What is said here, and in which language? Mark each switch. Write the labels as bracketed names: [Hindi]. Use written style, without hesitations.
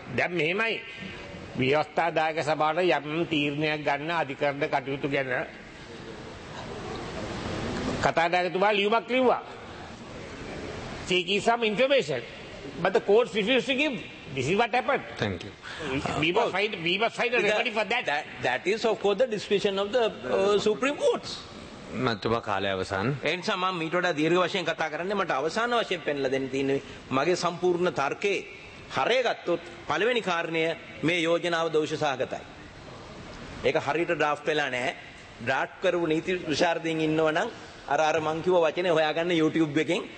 [Sinhala] දැන් මෙහෙමයි විවස්ථාදායක සභාවට යම් තීරණයක් ගන්න අධිකරණ කටයුතු ගැන කතානායකතුමා ලියුමක් ලිව්වා. [English] She gave some information. But the court refused to give. This is what happened. Thank you. We must find a remedy for that. That is of course the decision of the Supreme Courts. [Sinhala] මතුමා කාලය අවසන්. එනිසා මම මීට වඩා දීර්ඝ වශයෙන් කතා කරන්නේ මට අවසාන වශයෙන් පෙන්ලා දෙන්න තියෙන මගේ සම්පූර්ණ තර්කයේ හරය ගත්තොත් පළවෙනි කාරණය මේ යෝජනාව දෝෂ සහගතයි. ඒක හරියට ඩ්‍රාෆ්ට් වෙලා නැහැ. ඩ්‍රාෆ්ට් කරපු නීති විශාරදින් ඉන්නවනම් අර මං කිව්ව වචනේ හොයාගන්න YouTube එකෙන්.